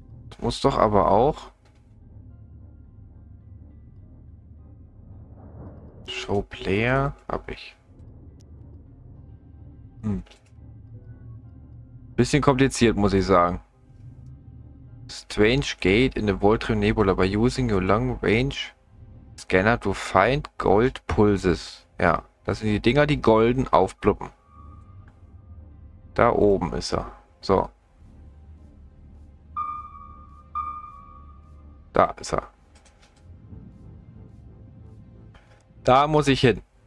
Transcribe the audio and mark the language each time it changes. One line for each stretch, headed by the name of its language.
German: Das muss doch aber auch. Show Player habe ich. Bisschen kompliziert, muss ich sagen.
English: Strange Gate in the Voltron Nebula by using your long range scanner to find gold pulses.
German: Ja, das sind die Dinger, die golden aufploppen. Da oben ist er. So. Da ist er. Da muss ich hin.